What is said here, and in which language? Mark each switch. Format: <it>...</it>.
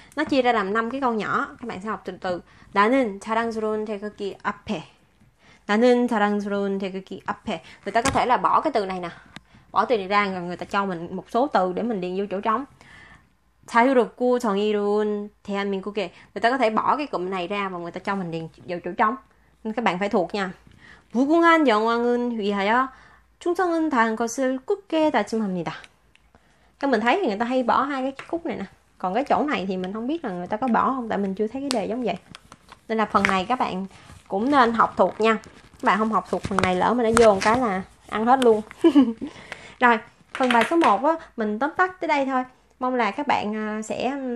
<vi>Nó chia ra làm 5 cái câu nhỏ, các bạn sẽ học từ từ.</vi> <ko>나는 자랑스러운 태극기 앞에. 나는 자랑스러운 태극기 앞에.</ko> <vi>Người ta có thể là bỏ cái từ này nè. Bỏ từ này ra rồi người ta cho mình một số từ để mình điền vô chỗ trống.</vi> <ko>자유롭고 정의로운 대한민국에.</ko> <vi>Người ta có thể bỏ cái cụm này ra và người ta cho mình điền vô chỗ trống. Nên các bạn phải thuộc nha.</vi> <ko>무궁한 영광은 위하여 충성은 다한 것을 굳게 다짐합니다.</ko> <vi>các mình thấy thì người ta hay bỏ hai cái khúc này nè. Còn cái chỗ này thì mình không biết là người ta có bỏ không, tại mình chưa thấy cái đề giống vậy. Nên là phần này các bạn cũng nên học thuộc nha. Các bạn không học thuộc phần này lỡ mà nó vô một cái là ăn hết luôn. Rồi, phần bài số 1 á, mình tóm tắt tới đây thôi. Mong là các bạn sẽ...</vi>